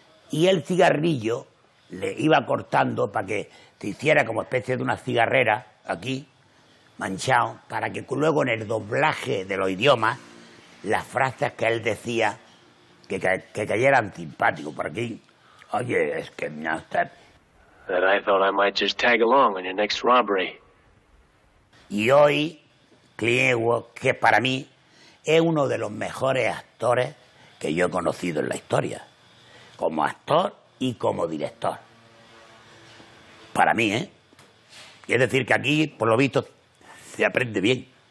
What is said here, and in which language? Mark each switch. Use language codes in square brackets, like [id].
[es] Y el cigarrillo le iba cortando para que se hiciera como especie de una cigarrera aquí, manchado, para que luego en el doblaje de los idiomas las frases que él decía que cayeran simpático por aquí. Oye, es que no está... [en] That I thought I might just tag along on your next robbery. [es] Y hoy Clint Eastwood, que para mí es uno de los mejores actores que yo he conocido en la historia, como actor y como director, para mí, ¿eh? Y es decir que aquí, por lo visto, se aprende bien.